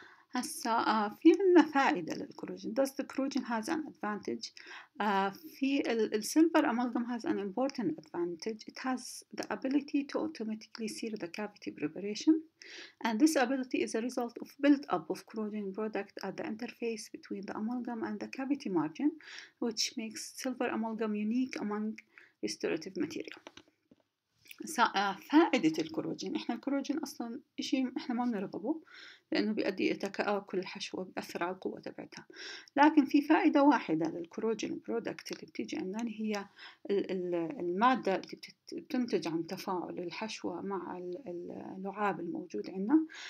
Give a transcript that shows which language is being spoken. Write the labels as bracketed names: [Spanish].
[Arabic] هسا في عنا فائدة للكروجين. [English] Does the corrosion has an advantage? في السيلفر amalgam has an important advantage. It has the ability to automatically sear the cavity preparation. And this ability is a result of build-up of corrosion product at the interface between the amalgam and the cavity margin, which makes silver amalgam unique among restorative material. [Arabic] فائدة الكروجين، إحنا الكروجين أصلاً إشي إحنا ما بنرغبه لأنه بيؤدي إلى تآكل الحشوة وبيأثر على القوة تبعتها، لكن في فائدة واحدة للكروجين برودكت اللي بتيجي عندنا، هي المادة اللي بتنتج عن تفاعل الحشوة مع اللعاب الموجود عندنا.